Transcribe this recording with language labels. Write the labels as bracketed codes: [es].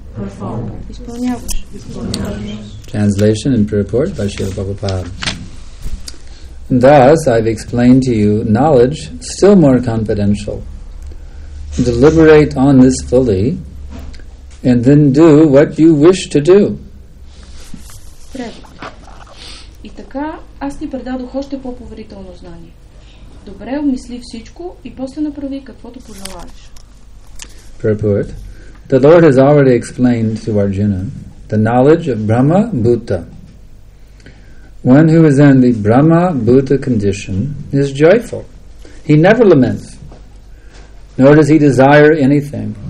[en] Translation and purport by Srila Prabhupada. Thus, I've explained to you knowledge still more confidential. Deliberate on this fully, and then do what you wish to do. [bg] И така аз ти предадох още по-поверително знание. Добре обмисли всичко и после направи каквото пожелаеш. [en] Purport. The Lord has already explained to Arjuna the knowledge of Brahma Bhuta. One who is in the Brahma Bhuta condition is joyful. He never laments, nor does he desire anything.